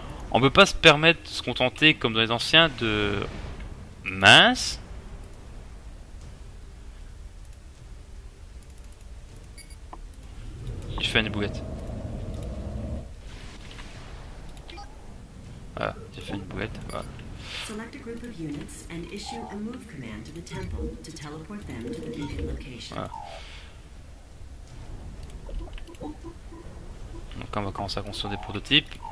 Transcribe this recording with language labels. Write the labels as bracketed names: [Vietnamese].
[French] On peut pas se permettre de se contenter comme dans les anciens de mince. Je fais une bouette. Voilà, j'ai fait une bouette. Voilà. [English] Select a group of units and issue a move command to the temple to teleport them to the beacon location. [French] Voilà. Donc on va commencer à construire des prototypes.